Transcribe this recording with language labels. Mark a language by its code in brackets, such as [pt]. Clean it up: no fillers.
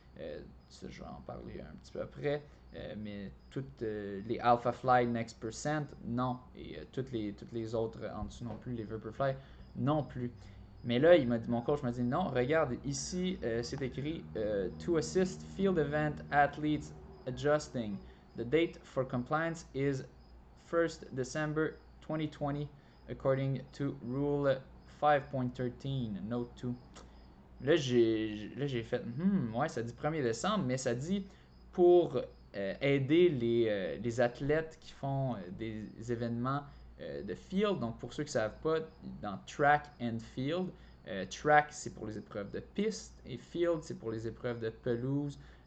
[fr] Je vais en parler un petit peu après. Mais toutes les Alpha Fly Next Percent, non. Et toutes les autres en dessous non plus, les Vaporfly, non plus. Mais là, il m'a dit, mon coach m'a dit, non, regarde, ici, c'est écrit [en] To assist field event athletes adjusting. The date for compliance is 1st December 2020, according to Rule 5.13, Note 2. [fr] Là, j'ai fait, ouais, ça dit 1er décembre, mais ça dit pour aider les athlètes qui font des événements de field. Donc, pour ceux qui ne savent pas, dans track and field, track, c'est pour les épreuves de piste, et field, c'est pour les épreuves de pelouse.